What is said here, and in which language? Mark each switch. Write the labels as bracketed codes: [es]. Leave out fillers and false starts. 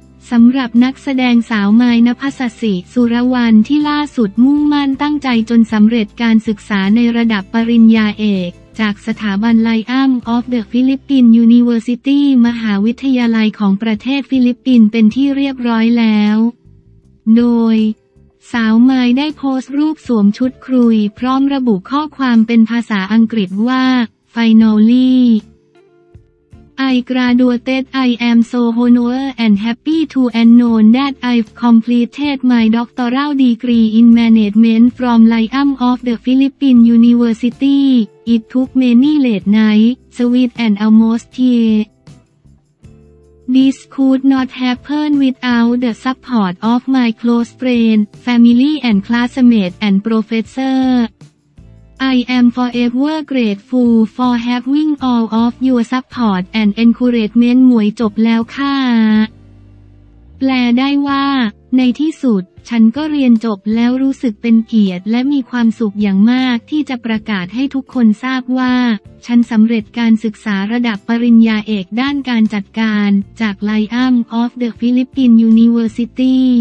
[th] สำหรับนักแสดงสาวไมค์ณภัสสิสุรวรรณที่ล่าสุดมุ่งมั่นตั้งใจจนสำเร็จการศึกษาในระดับปริญญาเอกจากสถาบัน Lyam of the Philippine University มหาวิทยาลัยของประเทศฟิลิปปินส์เป็นที่เรียบร้อยแล้วโดยสาวไมค์ได้โพสต์รูปสวมชุดครุยพร้อมระบุข้อความเป็นภาษาอังกฤษว่า [en] Finally I I graduated I am so honored and happy to and know that I've completed my doctoral degree in management from Lyam of the Philippine University. It took many late nights, sweet and almost tears. This could not happen without the support of my close friend, family and classmate and professor. I am forever grateful for having all of your support and encouragement [th] หมวยจบแล้วค่ะแปลได้ว่าในที่สุดฉันก็เรียนจบแล้วรู้สึกเป็นเกียรติและมีความสุขอย่างมากที่จะประกาศให้ทุกคนทราบว่าฉันสำเร็จการศึกษาระดับปริญญาเอกด้านการจัดการจาก Lyam of the Philippine University.